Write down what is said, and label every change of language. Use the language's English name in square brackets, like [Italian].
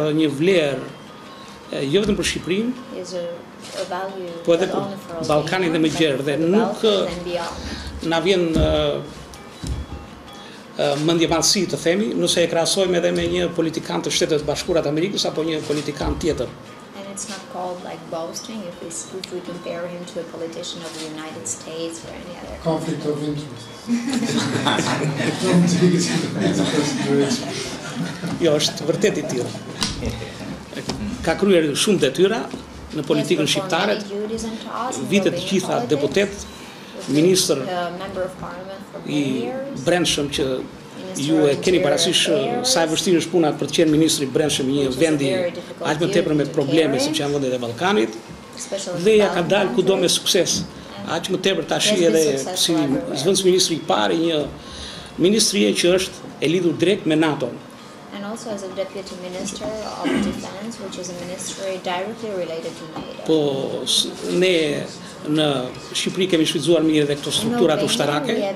[Albanian] një vlerë jo vetëm për Shqipërinë, po edhe për Ballkanin dhe më gjerë, dhe nuk na vjen mendjevansi të themi, nëse e krahasojmë edhe me një politikan të Shteteve të Bashkuara të Amerikës apo një politikan tjetër. [English] And it's not called like boasting if we compare him to a politician of the United States or any other. Conflict of interest. [Albanian] Jo, është vërtet i tillë. Ka kryer shumë detyra në politikën shqiptare. Vitet të gjitha deputet, ministër i brendshëm që ju e keni parasysh sa e vështirë është puna për të qenë ministër i brendshëm një vendi aq më tepër me probleme siç janë vendet e Ballkanit. Dhe ja ka dalë kudo me sukses. Aq më tepër tash edhe si zëvendës ministri i parë i një ministrie që është e lidhur drejt me NATO-n. [English] and also as a deputy minister of defense, which is a ministry directly related to NATO. [Albanian] Po, ne në Shqipëri kemi shfrytzuar mirë edhe këto struktura të ushtarake.